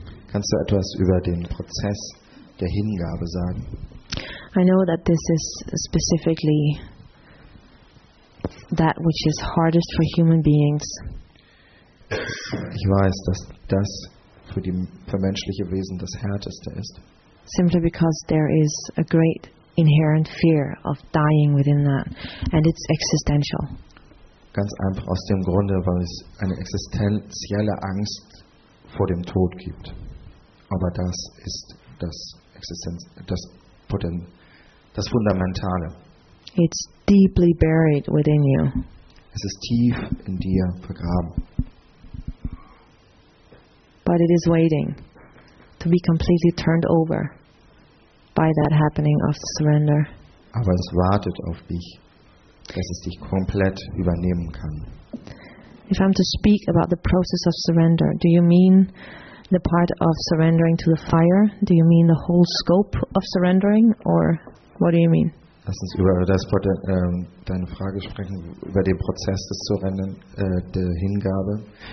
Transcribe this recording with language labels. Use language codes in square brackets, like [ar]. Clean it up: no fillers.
[de] Kannst du etwas über den Prozess der Hingabe sagen? [en] I know that this is specifically that which is hardest for human beings. [de] Ich weiß, dass das für die für menschliche Wesen das härteste ist. [en] Simply because there is a great inherent fear of dying within that, and it's existential. [de] Ganz einfach aus dem Grunde, weil es eine existenzielle Angst vor dem Tod gibt. Aber das ist das Existenz, das Potenz, das Fundamentale. [en] It's deeply buried within you. [de] Es ist tief in dir vergraben. [en] But it is waiting to be completely turned over by that happening of surrender. [de] Aber es wartet auf dich, dass es dich komplett übernehmen kann. [en] If I'm to speak about the process of surrender, do you mean the part of surrendering to the fire? Do you mean the whole scope of surrendering, or what do you mean? [de] Lass uns über das deine Frage sprechen, über den Prozess des Surrenderns, der Hingabe.